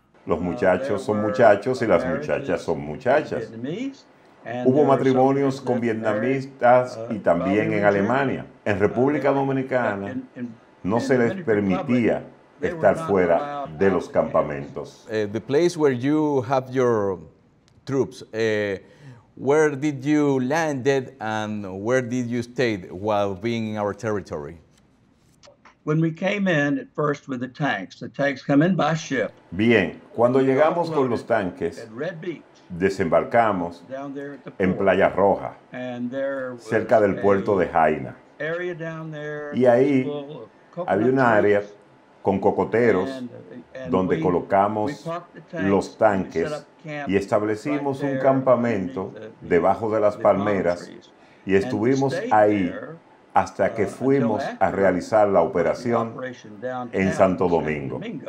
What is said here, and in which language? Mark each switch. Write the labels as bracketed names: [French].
[Spanish] Los muchachos son muchachos y las muchachas son muchachas. Hubo matrimonios con vietnamitas y también en Alemania. En República Dominicana no se les permitía estar fuera de los campamentos. [English] The place where you have your troops, where did you landed and where did you stay while being in our territory? When we came in at first with the tanks come in by ship. [Spanish] Bien, cuando llegamos con los tanques, desembarcamos en Playa Roja, cerca del puerto de Haina. Y ahí había un área con cocoteros donde colocamos los tanques y establecimos un campamento debajo de las palmeras y estuvimos ahí hasta que fuimos a realizar la operación en Santo Domingo.